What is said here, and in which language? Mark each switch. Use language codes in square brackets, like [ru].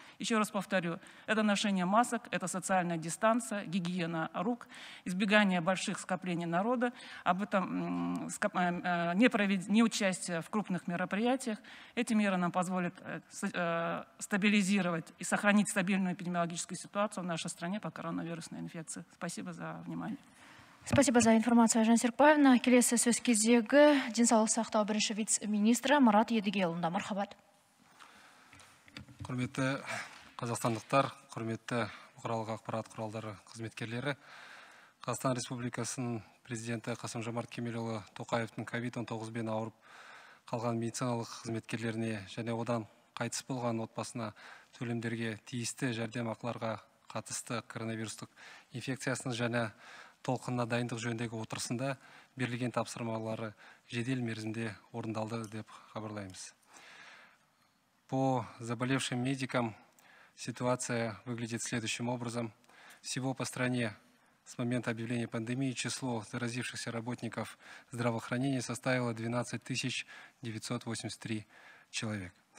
[ru] Еще раз повторю, это ношение масок, это социальная дистанция, гигиена рук, избегание больших скоплений народа, об этом не участие в крупных мероприятиях. Эти меры нам позволят стабилизировать и сохранить стабильную эпидемиологическую ситуацию в нашей стране по коронавирусной инфекции. Спасибо за внимание. Спасибо за информацию, Жан Серпаевна. [kk] Келесі сөз кезегі денсаулық сақтау бірінші вице-министрі Марат Едігелұлына. Мархабат. Құрметті қазақстандықтар, құрметті бұқаралық ақпарат құралдары қызметкерлері, Қазақстан Республикасының президенті Қасым-Жомарт Кемелұлы Тоқаевтың COVID-19-бен ауырып қалған медициналық қызметкерлеріне және одан қайтыс болған отбасына төлемдерге тиісті жәрдемақыларға қатысты коронавирустық инфекциясының және толқынына дайындық жөніндегі отырысында берілген тапсырмалары жедел мерзімде орындалды деп хабарлаймыз. [ru] По заболевшим медикам ситуация выглядит следующим образом. Всего по стране с момента объявления пандемии число заразившихся работников здравоохранения составило 12 983 человек.